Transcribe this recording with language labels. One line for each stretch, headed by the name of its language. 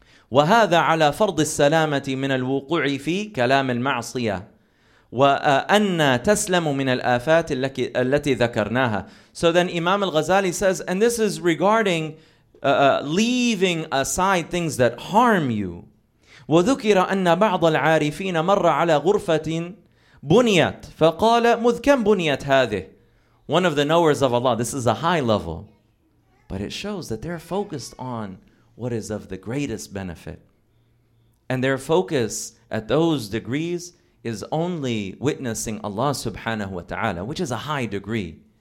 Arabic: وَهَذَا عَلَى فَرْضِ السَّلَامَةِ مِنَ الْوُقُوعِ فِي كَلَامِ الْمَعْصِيَةِ وَأَنَّ تَسْلَمُ مِنَ الْآفَاتِ الَّتِي ذَكَرْنَاهَا.
English: So then Imam al-Ghazali says, and this is regarding leaving aside things that harm you.
Arabic: وذكر أن بعض العارفين مر على غرفة بنيت فقال مذ كم بنيت هذه.
English: One of the knowers of Allah, this is a high level, but it shows that they're focused on what is of the greatest benefit, and their focus at those degrees is only witnessing Allah subhanahu wa ta'ala, which is a high degree.